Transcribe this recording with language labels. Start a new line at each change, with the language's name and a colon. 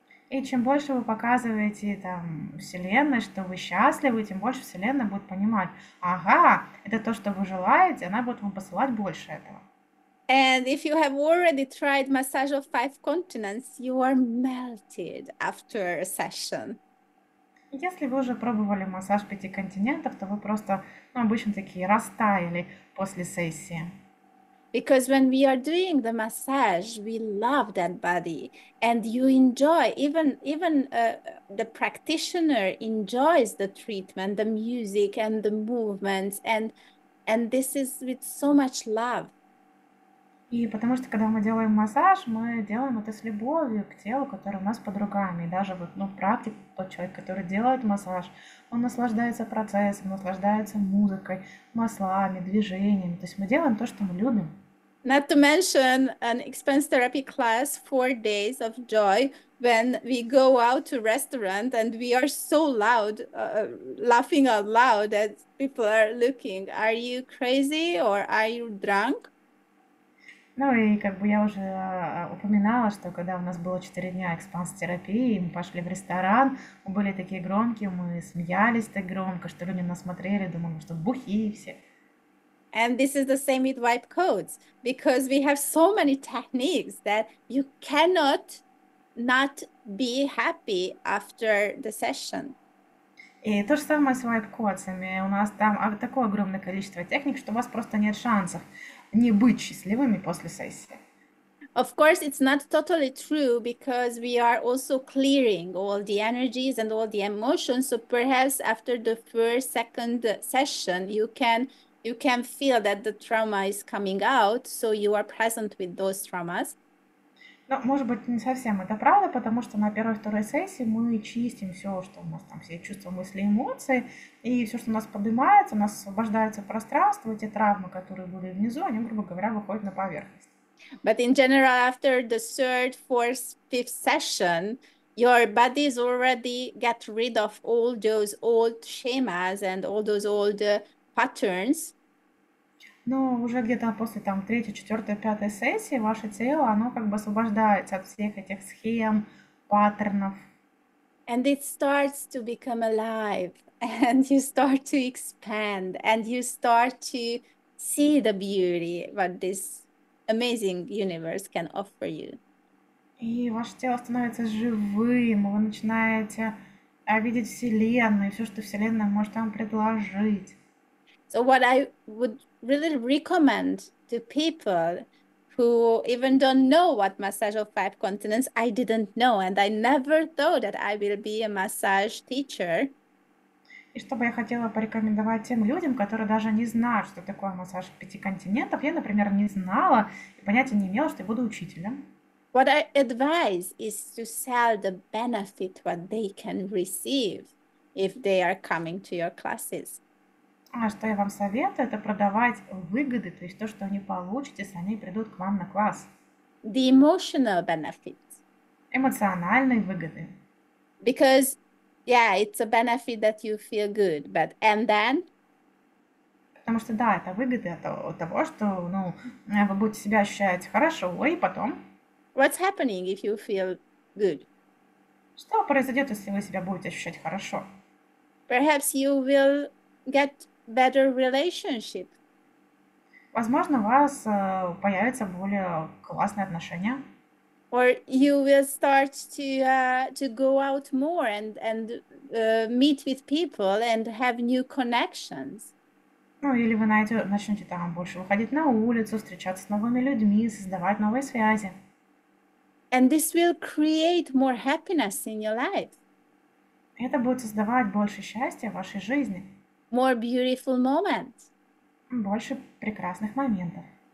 Russian: И чем больше вы показываете там Вселенной, что вы счастливы, тем больше Вселенная будет понимать, ага, это то, что вы желаете, она будет вам посылать больше этого.
English: And if you have already tried massage of five continents, you are melted after a session.
Russian: Если вы уже пробовали массаж пяти континентов, то вы просто, обычно такие растаяли после сессии.
English: Because when we are doing the massage, we love that body and you enjoy, the practitioner enjoys the treatment, the music and the movements, and this is with so much love.
Russian: И потому что, когда мы делаем массаж, мы делаем это с любовью к телу, которое у нас под руками. И даже вот, практик, тот человек, который делает массаж, он наслаждается процессом, наслаждается музыкой, маслами, движением. То есть мы делаем то, что мы любим.
English: Not to mention an expense therapy class, 4 days of joy when we go out to restaurant and we are so loud, laughing out loud that people are looking. Are you crazy or are you drunk?
Russian: Ну и как бы я уже упоминала, что когда у нас было 4 дня экспанс-терапии, мы пошли в ресторан, мы были такие громкие, мы смеялись так громко, что люди нас смотрели, думали, что бухие все.
English: And this is the same with vibe codes, because we have so many techniques that you cannot not be happy after the session.
Russian: И то же самое с вайб-кодсами. У нас там такое огромное количество техник, что у вас просто нет шансов не быть счастливыми после сессии.
English: Of course, it's not totally true because we are also clearing all the energies and all the emotions. So perhaps after the first, second session, you can feel that the trauma is coming out, so you are present with those traumas.
Russian: Ну, может быть, не совсем это правда, потому что на первой и второй сессии мы чистим все, что у нас там, все чувства, мысли, эмоции, и все, что у нас поднимается, у нас освобождается пространство, эти травмы, которые были внизу, они, грубо говоря, выходят на поверхность.
English: But in general, after the third, fourth, fifth session, your body is already get rid of all those old schemas and all those old patterns.
Russian: Но уже где-то после там третьей, четвертой, пятой сессии ваше тело, оно как бы освобождается от всех этих схем, паттернов.
English: And it starts to become alive, and you start to expand, and you start to see the beauty that this amazing universe can offer you.
Russian: И ваше тело становится живым, вы начинаете видеть Вселенную, все, что Вселенная может вам предложить.
English: So what I would really recommend to people who even don't know what massage of five continents, I didn't know, and I never thought that I will be a massage teacher.
Russian: И что бы я хотела порекомендовать тем людям, которые даже не знают, что такое массаж пяти континентов. Я, например, не знала и понятия не имела, что я буду учителем.
English: What I advise is to sell the benefit what they can receive if they are coming to your classes.
Russian: А что я вам советую, это продавать выгоды, то есть то, что они получат, если они придут к вам на класс.
English: The emotional benefits.
Russian: Эмоциональные выгоды.
English: Because, yeah, it's a benefit that you feel good, but and then?
Russian: Потому что да, это выгоды от того, что вы будете себя ощущать хорошо, и потом.
English: What's happening if you feel good?
Russian: Что произойдет, если вы себя будете ощущать хорошо?
English: Perhaps you will get better relationship.
Russian: Возможно, у вас появятся более классные отношения.
English: Or you will start to go out more and meet with people and have new connections.
Russian: Ну, или вы начнете там больше выходить на улицу, встречаться с новыми людьми, создавать новые связи.
English: And this will create more happiness in your life.
Russian: Это будет создавать больше счастья в вашей жизни.
English: More beautiful moments.
Russian: Больше прекрасных моментов.